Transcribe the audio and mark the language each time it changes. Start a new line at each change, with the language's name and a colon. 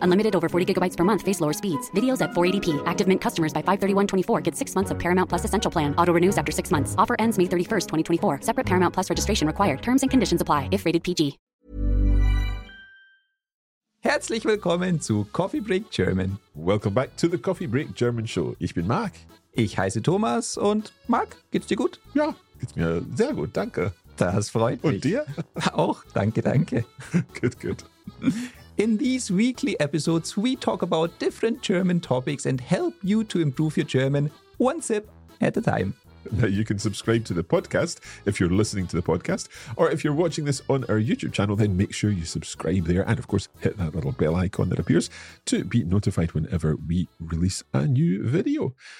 English: Unlimited over 40 gigabytes per month. Face lower speeds. Videos at 480p. Active Mint customers by 531.24 get 6 months of Paramount Plus Essential Plan. Auto renews after 6 months. Offer ends May 31st, 2024. Separate Paramount Plus registration required. Terms and conditions apply if rated PG.
German: Herzlich willkommen zu Coffee Break German.
English: Welcome back to the Coffee Break German Show.
German: Ich bin Marc. Ich heiße Thomas und Marc, geht's dir gut? Ja, geht's mir sehr gut, danke. Das freut mich. Und dir? Auch, danke, danke.
English: Good, good. In these weekly episodes, we talk about different German topics and help you to improve your German one sip at a time. Now you can subscribe to the podcast if you're listening to the podcast, or if you're watching this on our YouTube channel, then make sure you subscribe there and of course hit that little bell icon that appears to be notified whenever we release a new video.